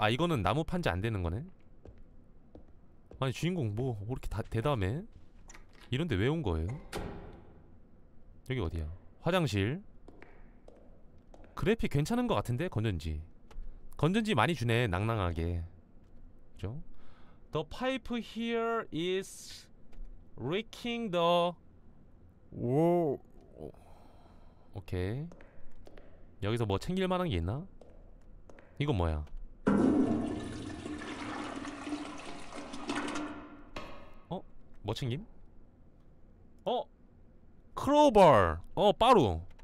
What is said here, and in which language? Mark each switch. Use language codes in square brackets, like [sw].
[ko] 아, 이거는 나무 판지 안 되는 거네. 아니, 주인공 뭐 이렇게 다 대담해? 이런데 왜 온 거예요? 여기 어디야? 화장실. 그래픽 괜찮은 거 같은데? 건전지. 건전지 많이 주네, 낭낭하게. 그죠? [en] The pipe here is leaking the wall. [ko] 오케이. 여기서 뭐 챙길 만한 게 있나? 이건 뭐야? 어? 뭐 챙김? 어? 크로버! 어, 빠루!